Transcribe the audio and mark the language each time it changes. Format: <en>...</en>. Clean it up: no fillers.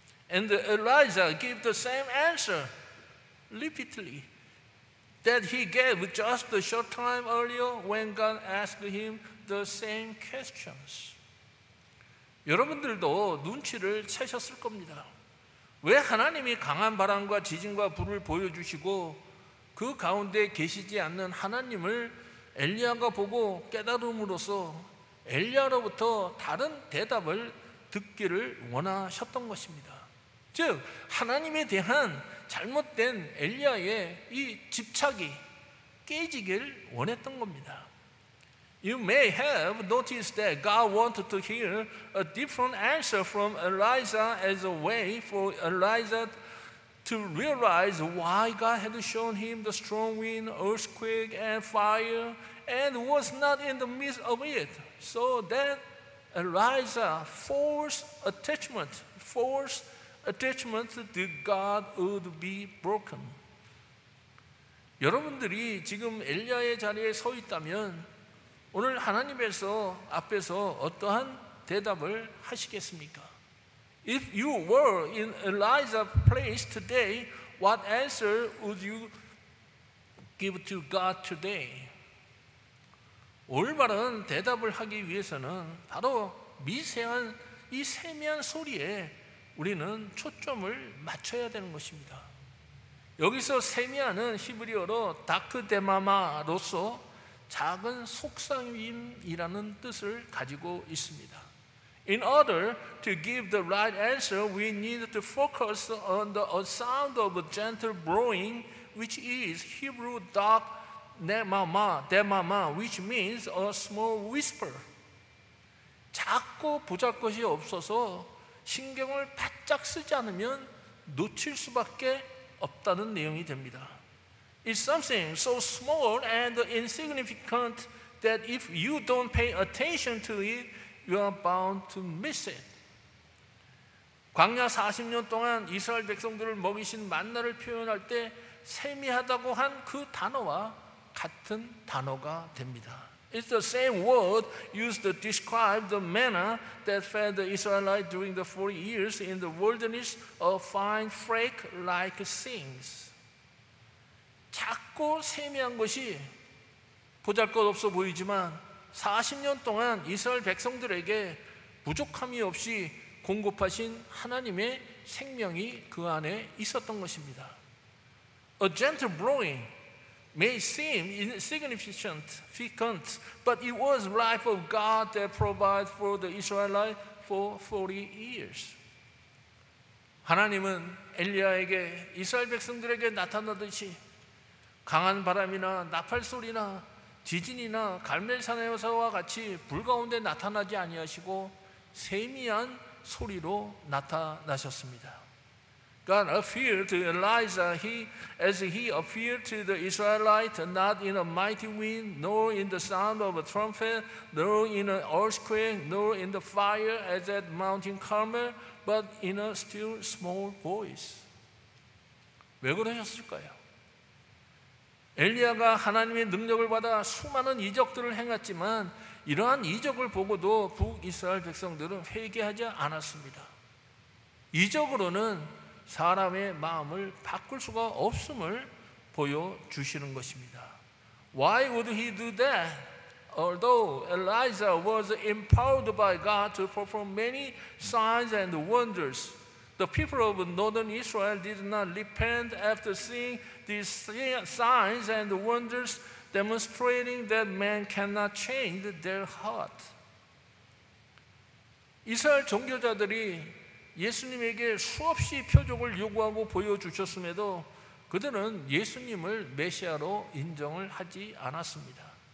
<en>And Elijah gave the same answer repeatedly that he gave just a short time earlier when God asked him the same questions.</en> <ko>여러분들도 눈치를 채셨을 겁니다. 왜 하나님이 강한 바람과 지진과 불을 보여주시고 그 가운데 계시지 않는 하나님을 엘리야가 보고 깨달음으로써 엘리야로부터 다른 대답을 듣기를 원하셨던 것입니다. 즉 하나님에 대한 잘못된 엘리야의 이 집착이 깨지길 원했던 겁니다.</ko> <en>You may have noticed that God wanted to hear a different answer from Elijah as a way for Elijah to realize why God had shown him the strong wind, earthquake, and fire, and was not in the midst of it, so that Elijah forced attachment to God would be broken.</en> <ko>여러분들이 지금 엘리야의 자리에 서 있다면 오늘 하나님에서 앞에서 어떠한 대답을 하시겠습니까?</ko> <en>If you were in Elijah's place today, what answer would you give to God today?</en> <ko>올바른 대답을 하기 위해서는 바로 미세한 이 세미한 소리에 우리는 초점을 맞춰야 되는 것입니다. 여기서 세미한은 히브리어로 다크데마마로서 작은 속삭임이라는 뜻을 가지고 있습니다.</ko> <en>In order to give the right answer, we need to focus on the sound of a gentle blowing, which is Hebrew dark demama, demama, which means a small whisper.</en> <ko>작고 보잘것이 없어서 신경을 바짝 쓰지 않으면 놓칠 수밖에 없다는 내용이 됩니다.</ko> <en>It's something so small and insignificant that if you don't pay attention to it, you are bound to miss it.</en> <ko>광야 40년 동안 이스라엘 백성들을 먹이신 만나를 표현할 때 세미하다고 한 그 단어와 같은 단어가 됩니다.</ko> <en>It's the same word used to describe the manna that fed the Israelites during the 40 years in the wilderness of fine flake-like things.</en> <ko>작고 세미한 것이 보잘것없어 보이지만 40년 동안 이스라엘 백성들에게 부족함이 없이 공급하신 하나님의 생명이 그 안에 있었던 것입니다.</ko> <en>A gentle blowing may seem insignificant, but it was life of God that provided for the Israelites for 40 years.</en> <ko>하나님은 엘리야에게 이스라엘 백성들에게 나타나듯이 강한 바람이나 나팔 소리나 지진이나 갈멜산에서와 같이 불 가운데 나타나지 아니하시고 세미한 소리로 나타나셨습니다.</ko> <en>God appeared to Elijah as he appeared to the Israelites, not in a mighty wind, nor in the sound of a trumpet, nor in an earthquake, nor in the fire as at Mount Carmel, but in a still small voice.</en> <ko>왜 그러셨을까요? 엘리야가 하나님의 능력을 받아 수많은 이적들을 행했지만 이러한 이적을 보고도 북이스라엘 백성들은 회개하지 않았습니다. 이적으로는 사람의 마음을 바꿀 수가 없음을 보여주시는 것입니다.</ko> <en>Why would he do that? Although Elijah was empowered by God to perform many signs and wonders, the people of northern Israel did not repent after seeing these signs and wonders demonstrating that man cannot change their heart.</en> <ko>이스라엘 종교자들이 예수님에게 수없이 표적을 요구하고 보여주셨음에도 그들은 예수님을 메시아로 인정을 하지 않았습니다.</ko>